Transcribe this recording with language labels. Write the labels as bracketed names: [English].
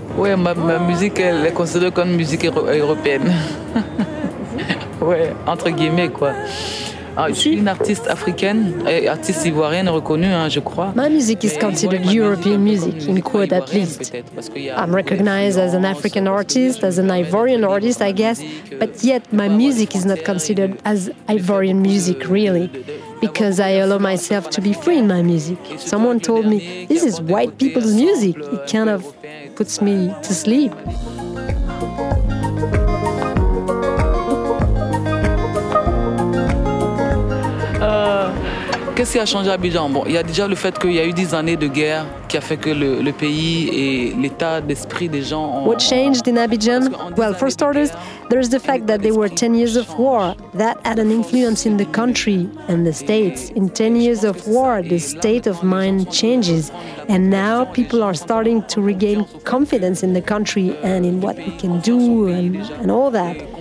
[French] Oui, ma musique, elle est considérée comme musique européenne. Ouais, entre guillemets, quoi. Ah, je suis une artiste africaine, artiste ivoirienne reconnue, hein, je crois. [English] My music is considered European music, in quote at least. I'm recognized as an African artist, as an Ivorian artist, I guess, but yet my music is not considered as Ivorian music, really, because I allow myself to be free in my music. Someone told me, this is white people's music. It kind of puts me to sleep. [French] Qu'est-ce qui a changé à Abidjan? Bon, il y a déjà le fait qu'il y a eu 10 années de guerre qui a fait que le pays et l'état d'esprit des gens ont... [English] What changed in Abidjan? Well, for starters, there's the fact that there were 10 years of war. That had an influence in the country and the states. In 10 years of war, the state of mind changes. And now people are starting to regain confidence in the country and in what we can do and all that.